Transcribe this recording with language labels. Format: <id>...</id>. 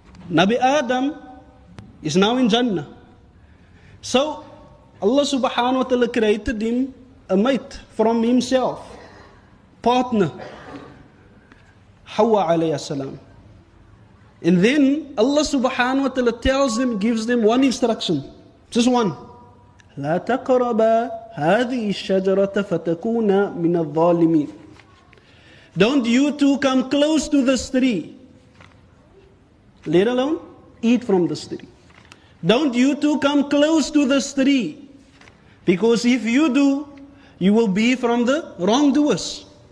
<en>Nabi Adam is now in Jannah. So Allah subhanahu wa ta'ala created him a mate from himself, partner, Hawa alayhi salam. And then Allah subhanahu wa ta'ala tells them, gives them one instruction, just one.</en> <ar>لا تقربا هذه الشجرة فتكونا من الظالمين.</ar> <en>Don't you two come close to this tree, let alone eat from this tree. Don't you two come close to this tree, because if you do, you will be from the wrongdoers.</en>